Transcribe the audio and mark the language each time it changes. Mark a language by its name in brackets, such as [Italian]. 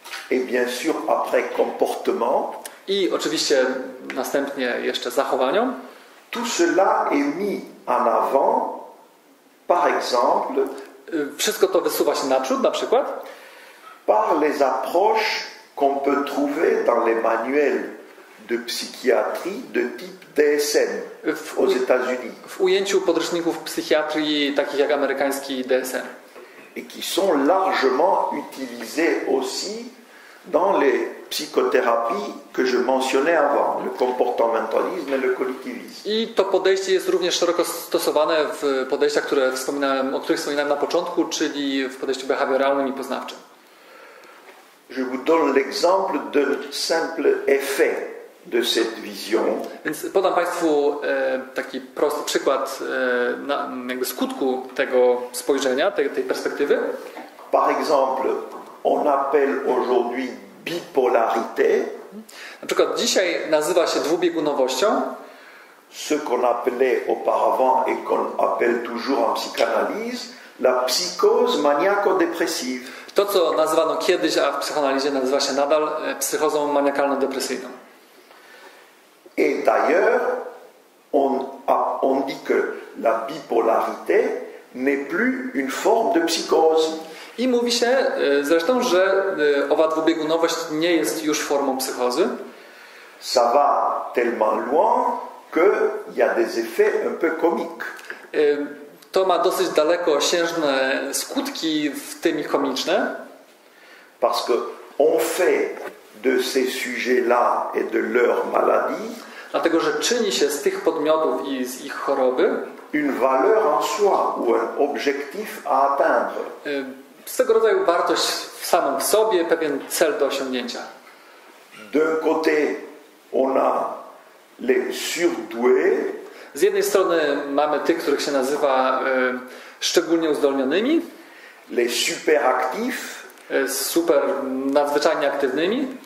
[French] Et bien sûr, après comportement. [Polish] I oczywiście następnie jeszcze zachowaniom. [French] Tout cela est mis en avant, par exemple. [Polish] Wszystko to wysuwa się naprzód, na przykład. [French] Par les approches qu'on peut trouver dans les manuels de psychiatrie de type DSM aux États-Unis. [Polish] W ujęciu podręczników psychiatrii takich jak amerykański DSM. [French] Et qui sont largement utilisés aussi dans les psychothérapies que je mentionnais avant, le comportementalisme et le cognitivisme. [Polish] I to podejście jest również szeroko stosowane w podejściach, które wspominałem, o których wspominałem na początku, czyli w podejściu behawioralnym i poznawczym. [French] Je vous donne l'exemple d'un simple effet de cette vision. [Polish] Więc podam Państwu taki prosty przykład jakby skutku tego spojrzenia, tej perspektywy. [French] Par exemple, on appelle aujourd'hui bipolarité. [Polish] Na przykład dzisiaj nazywa się dwubiegunowością. [French] Ce qu'on appelait auparavant et qu'on appelle toujours en psychanalyse la psychose maniaco-dépressive. [Polish] To, co nazywano kiedyś, a w psychoanalizie nazywa się nadal psychozą maniakalno-depresyjną. [French] Et d'ailleurs, on dit que la bipolarité n'est plus une forme de psychose. [Polish] I mówi się zresztą, że owa dwubiegunowość nie jest już formą psychozy. [French] Ça va tellement loin que il y a des effets un peu comiques. [Polish] To ma dosyć daleko siężne skutki, w tym i komiczne. [French] Parce que on fait de ces sujets-là et de leur maladie. [Polish] Dlatego, że czyni się z tych podmiotów i z ich choroby [French] une valeur en soi ou un objectif à atteindre. [Polish] Z tego rodzaju wartość w samym sobie, pewien cel do osiągnięcia. [French] D'un côté, on a les surdoués. [Polish] Z jednej strony mamy tych, których się nazywa szczególnie uzdolnionymi. [French] Les superactifs. [Polish] Super, nadzwyczajnie aktywnymi.